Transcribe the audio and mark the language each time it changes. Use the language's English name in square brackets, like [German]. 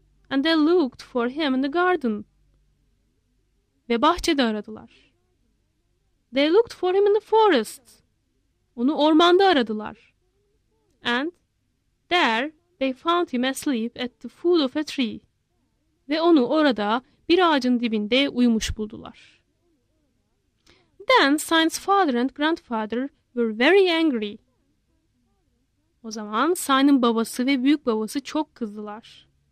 [English] And they looked for him in the garden. [Turkish] Ve bahçede aradılar. [English] They looked for him in the forest. [Turkish] Onu ormanda aradılar. [English] And there they found him asleep at the foot of a tree. [Turkish] Ve onu orada bir ağacın dibinde uyumuş buldular. [English] Then Sunny's father and grandfather were very angry. [Turkish] O zaman Sunny'ın babası ve büyük babası çok kızdılar.